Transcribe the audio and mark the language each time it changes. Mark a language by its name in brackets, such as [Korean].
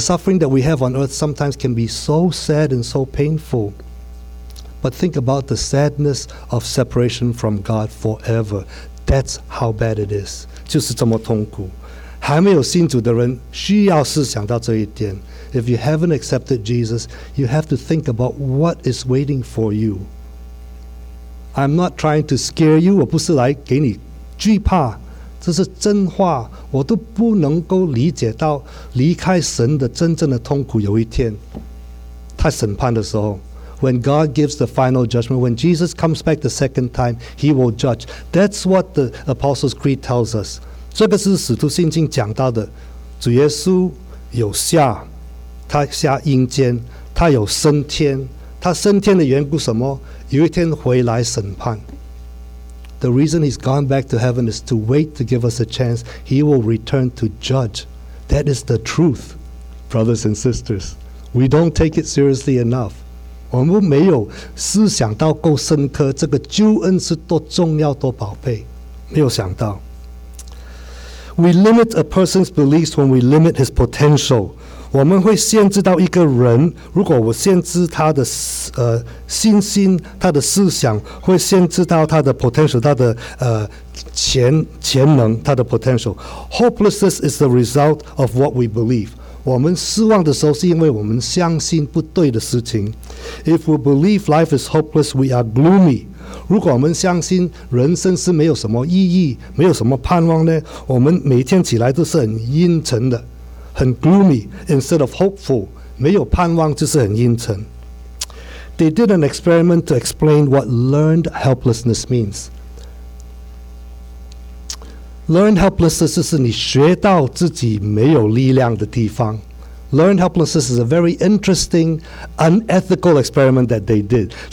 [English] suffering that we have on earth sometimes can be so sad and so painful. But think about the sadness of separation from God forever. That's how bad it is. [Chinese] 就是这么痛苦。还没有信主的人需要是想到这一点。 [English] If you haven't accepted Jesus, you have to think about what is waiting for you. I'm not trying to scare you. [Chinese] 我不是来给你惧怕，这是真话。我都不能够理解到离开神的真正的痛苦。有一天，他审判的时候， [English] when God gives the final judgment, when Jesus comes back the second time, he will judge. That's what the Apostles' Creed tells us. [Chinese] 这个是使徒信经讲到的。主耶稣有下, 祂下阴间, 祂有升天, 祂升天的缘故什么? 有一天回来审判。 [English] The reason he's gone back to heaven is to wait to give us a chance. He will return to judge. That is the truth, brothers and sisters. We don't take it seriously enough. [Chinese] 我们没有思想到够深刻, 这个救恩是多重要多宝贝, 没有想到。 [English] We limit a person's beliefs when we limit his potential. [Chinese] 我们会限制到一个人, 如果我限制他的, 信心, 他的思想, 会限制到他的potential, 他的, 潜能, 他的potential. [English] Hopelessness is the result of what we believe. [Chinese] 我们失望的时候是因为我们相信不对的事情。 [English] If we believe life is hopeless, we are gloomy. [Chinese] 如果我们相信人生是没有什么意义, 没有什么盼望呢, 我们每天起来都是很阴沉的, 很 [English] gloomy, instead of hopeful, [Chinese] 没有盼望就是很阴沉。 [English] They did an experiment to explain what learned helplessness means. Learned helplessness [Chinese] 就是你学到自己没有力量的地方。 [English] Learned helplessness is a very interesting, unethical experiment that they did.